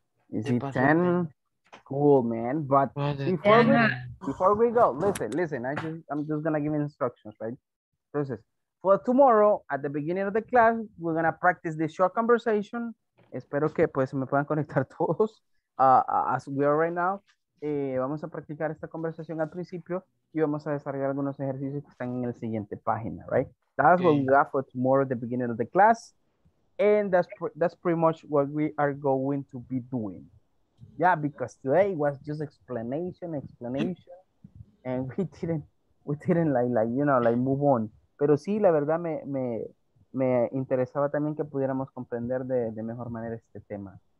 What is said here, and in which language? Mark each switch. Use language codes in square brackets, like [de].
[en] Is it 10? Cool, man. But before we go, listen, I'm just going to give instructions, right? Entonces, for tomorrow, at the beginning of the class, we're going to practice this short conversation. [es] Espero que pues me puedan conectar todos, [en] as we are right now. [es] Vamos a practicar esta conversación al principio y vamos a desarrollar algunos ejercicios que están en la siguiente página, right? [en] That's what we got for tomorrow, the beginning of the class. And that's pretty much what we are going to be doing. Yeah, because today was just explanation, and we didn't move on. [es] Pero sí, la verdad, me interesaba también que pudiéramos comprender de mejor manera este tema.